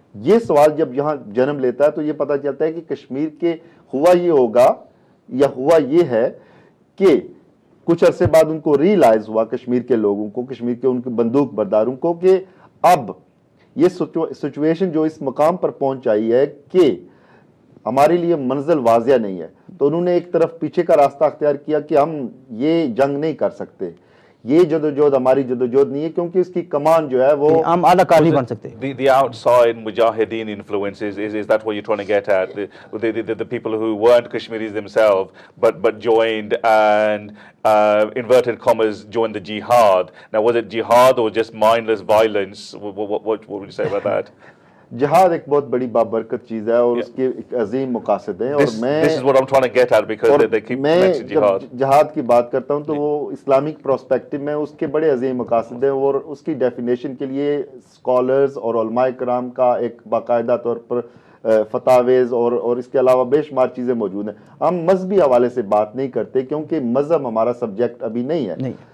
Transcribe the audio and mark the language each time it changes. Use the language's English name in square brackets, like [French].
[Hindi] ये सवाल जब यहाँ जन्म लेता है तो ये पता चलता है कि कश्मीर के हुआ ये होगा या हुआ ये है कि कुछ अरसे बाद उनको रियलाइज हुआ कश्मीर के लोगों को, कश्मीर के उनके बंदूक बरदारों को, कि अब ये सिचुएशन जो इस मुकाम पर पहुंच आई है कि हमारे लिए मंजिल वाजिया नहीं है, तो उन्होंने एक तरफ पीछे का रास्ता अख्तियार किया कि हम ये जंग नहीं कर सकते, ये जदोजहद हमारी जदोजहद नहीं है, क्योंकि इसकी कमान जो है वो हम आला काली नहीं बन सकते। [English] The outside mujahideen influences, is that what you're trying to get at? The people who weren't Kashmiris themselves but joined and inverted commas joined the jihad. Now was it jihad or just mindless violence? What would you say about that? [Hindi] जिहाद एक बहुत बड़ी बाबरकत चीज है और उसके एक अजीम मकासद हैं। और मैं [English] this is what I'm trying to get at because they keep mentioning jihad. [Hindi] जिहाद की बात करता हूं तो वो इस्लामिक प्रोस्पेक्टिव में उसके बड़े अजीम मकासद हैं और उसकी डेफिनेशन के लिए स्कॉलर्स और उलमाए किराम का एक बाकायदा तौर पर फतावेज और इसके अलावा बेशुमार चीज़ें मौजूद हैं। हम मजहबी हवाले से बात नहीं करते क्योंकि मजहब हमारा सब्जेक्ट अभी नहीं है।